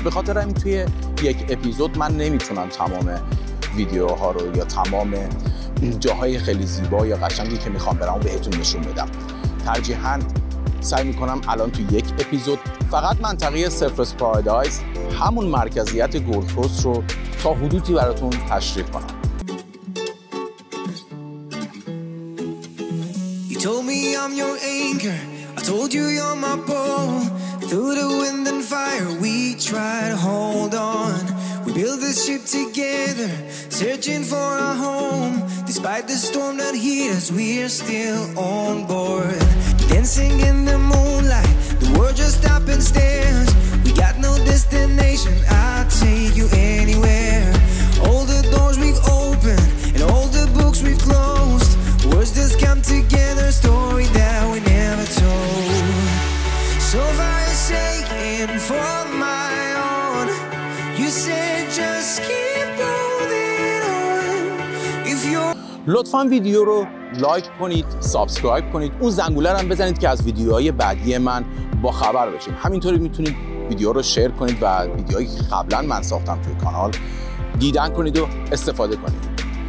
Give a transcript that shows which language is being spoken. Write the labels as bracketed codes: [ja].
[fa] به خاطر همین توی یک اپیزود من نمیتونم تمام ویدیوها رو یا تمام جاهای خیلی زیبا یا قشنگی که میخوام برام بهتون نشون بدم، ترجیحاً سعی میکنم الان توی یک اپیزود فقط منطقه سرفرس پارادایز، همون مرکزیت گلدکوست رو تا حدودی براتون تشریح کنم. [en] You told me I'm your anchor, I told you you're my pole. Through the wind and fire we try to hold on. We build this ship together, searching for a home. Despite the storm that hit us, we're still on board. Dancing in the moonlight, the world just stops and stares. We got no destination, I'll take you anywhere. All the doors we've opened and all the books we've closed. Words just come together, story that we never told. So far shaking for my own. You said just keep holding on. If you're [fa] لطفاً ویدیو رو لایک کنید، سابسکرایب کنید، اون زنگوله رو هم بزنید که از ویدیوهای بعدی من با خبر بشید. همینطوری میتونید ویدیو رو شیر کنید و ویدیوهایی که قبلا من ساختم توی کانال دیدن کنید و استفاده کنید.